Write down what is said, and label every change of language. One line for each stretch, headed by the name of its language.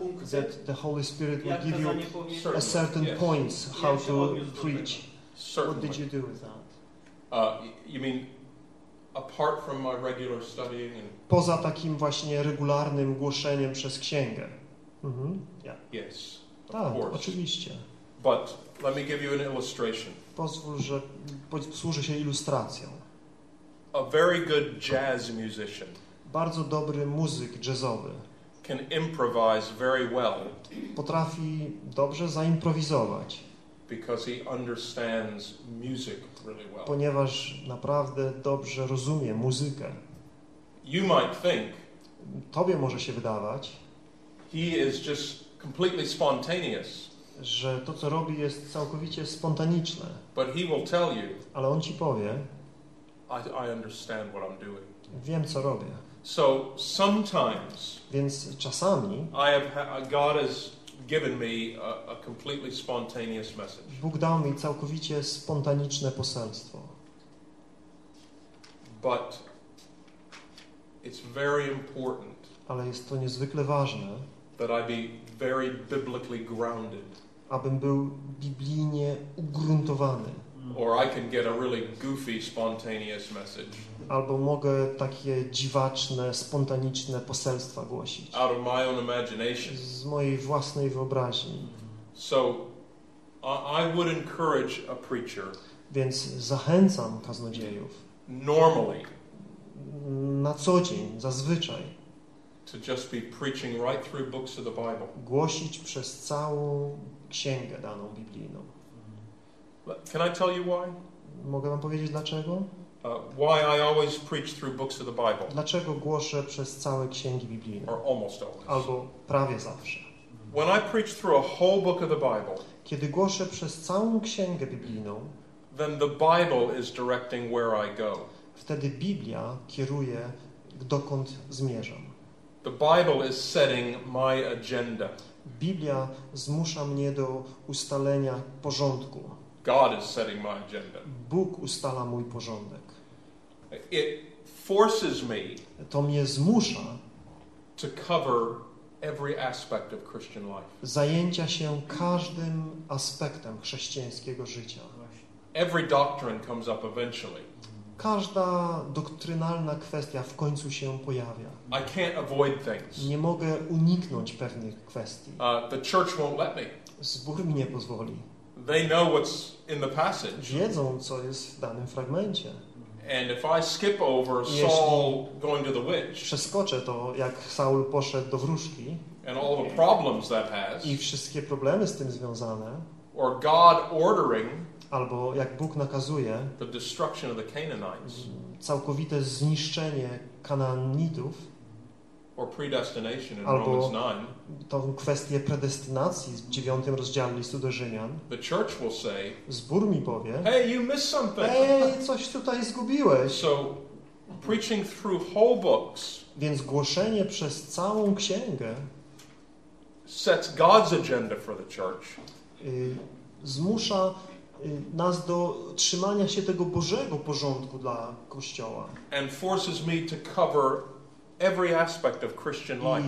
English: That the Holy Spirit will give you a certain point how to preach. Certainly. What did you do with that? You mean apart from my regular studying and
Polish: poza takim właśnie regularnym głoszeniem przez księgę.
English: Mm-hmm. Yeah. Yes.
Polish: Tak,
English: of course.
Polish: Oczywiście.
English: But let me give you an illustration.
Polish: Pozwól, że posłużę się ilustracją.
English: A very good jazz musician.
Polish: Bardzo dobry muzyk jazzowy.
English: Can improvise very well.
Polish: Potrafi dobrze zaimprowizować.
English: Because he understands music really well.
Polish: Ponieważ naprawdę dobrze rozumie muzykę.
English: You might think.
Polish: Tobie może się wydawać.
English: He is just completely spontaneous.
Polish: Że to co robi jest całkowicie spontaniczne.
English: But he will tell you.
Polish: Ale on ci powie.
English: I understand what I'm doing.
Polish: Wiem co robię.
English: So sometimes.
Polish: Więc czasami.
English: God has given me a completely spontaneous message.
Polish: Bóg dał mi całkowicie spontaniczne poselstwo.
English: But it's very important.
Polish: Ale jest to niezwykle ważne.
English: That I be very biblically grounded.
Polish: Abym był biblijnie ugruntowany.
English: Or I can get a really goofy, spontaneous message.
Polish: Albo mogę takie dziwaczne, spontaniczne poselstwa głosić.
English: Out of my own imagination.
Polish: Z mojej własnej wyobraźni.
English: So, I would encourage a preacher.
Polish: Więc zachęcam kaznodziejów.
English: Normally.
Polish: Na co dzień, zazwyczaj.
English: To just be preaching right through books of the Bible.
Polish: Głosić przez całą księgę daną biblijną.
English: Can I tell you why?
Polish: Mogę wam powiedzieć dlaczego?
English: Why I always preach through books of the Bible?
Polish: Dlaczego głoszę przez całe księgi biblijne?
English: Or almost always.
Polish: Albo prawie zawsze.
English: When I preach through a whole book of the Bible.
Polish: Kiedy głoszę przez całą księgę biblijną,
English: then the Bible is directing where I go.
Polish: Wtedy Biblia kieruje dokąd zmierzam.
English: The Bible is setting my agenda.
Polish: Biblia zmusza mnie do ustalenia porządku.
English: God is setting my agenda.
Polish: Bóg ustala mój porządek.
English: It forces me.
Polish: To mnie zmusza.
English: To cover every aspect of Christian life.
Polish: Zajęcia się każdym aspektem chrześcijańskiego życia.
English: Every doctrine comes up eventually.
Polish: Każda doktrynalna kwestia w końcu się pojawia.
English: I can't avoid things.
Polish: Nie mogę uniknąć pewnych kwestii.
English: The church won't let me.
Polish: Zbór mi nie pozwoli.
English: They know what's in the passage.
Polish: Wiedzą, co jest w danym fragmencie.
English: And if I skip over Saul going to the witch.
Polish: Przeskoczę to, jak Saul poszedł do wróżki.
English: And all the problems that has.
Polish: I wszystkie problemy z tym związane.
English: Or God ordering.
Polish: Albo jak Bóg nakazuje.
English: The destruction of the Canaanites.
Polish: Całkowite zniszczenie Kanaanitów.
English: Or predestination in Romans 9.
Polish: Tą kwestię predestynacji w 9 rozdziale listu do Rzymian.
English: The church will say,
Polish: zbór mi powie,
English: hey, you missed something.
Polish: Hey, coś tutaj zgubiłeś.
English: So, preaching through whole books,
Polish: więc głoszenie przez całą księgę
English: sets God's agenda for the church.
Polish: Zmusza nas do trzymania się tego Bożego porządku dla Kościoła.
English: And forces me to cover every aspect of Christian life.